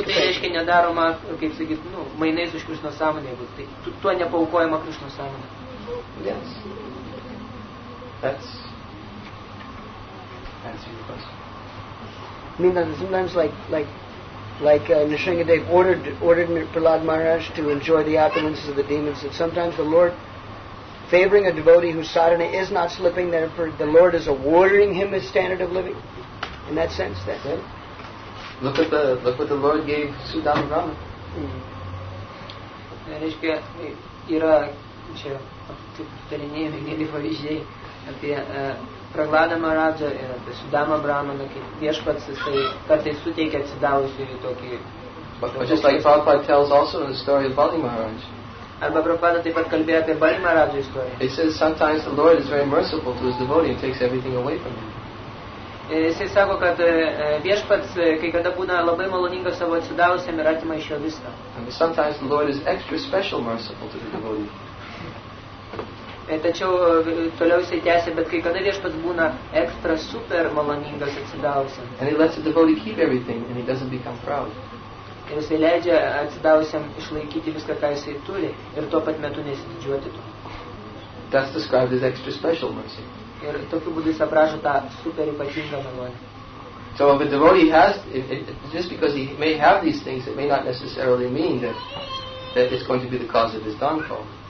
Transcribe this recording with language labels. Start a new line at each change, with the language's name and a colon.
Lithuanian: Jeigu tai, reiškia, nedaroma, kaip sakyt, nu, mainais už Krishna sąmonę, jeigu tai, tuo nepaukojama Krishna sąmonė.
English: Yes. That's I mean, sometimes like Nrisimhadeva ordered Prahlad Maharaj to enjoy the opulences of the demons, that sometimes the Lord, favoring a devotee whose sadhana is not slipping, therefore the Lord is awarding him his standard of living. In that sense, that's it. Look what the Lord gave Sudama Brahma.
Lithuanian: Prahlada Maharaja ir apie Sudama Brahmana, kaip viešpats jisai kartais suteikia atsidavusiųjų tokį...
English: But just like Prabhupada tells also in the story of Bali Maharaj.
Lithuanian: Arba Prabhupada taip pat kalbėjo apie Bali Maharaja istoriją.
English: He says sometimes the Lord is very merciful to his devotee and takes everything away from him.
Lithuanian: Jisai sako, kad viešpats kai kada būna labai maloningas savo atsidavusiam ir atima iš jo viską.
English: Sometimes the Lord is extra special merciful to the devotee.
Lithuanian: Tačiau toliau jisai tęsia, bet kai kada viešpats būna ekstra super maloningas atsidavusiam.
English: And he lets the devotee keep everything and he doesn't become proud.
Lithuanian: Ir jisai leidžia atsidavusiam išlaikyti viską, ką jisai turi, ir tuo pat metu nesididžiuoti to.
English: That's described as extra special mercy.
Lithuanian: Ir tokiu būdu jis aprašo tą super ypatingą malonę.
English: So if a devotee has, just because he may have these things, it may not necessarily mean that it's going to be the cause of his downfall.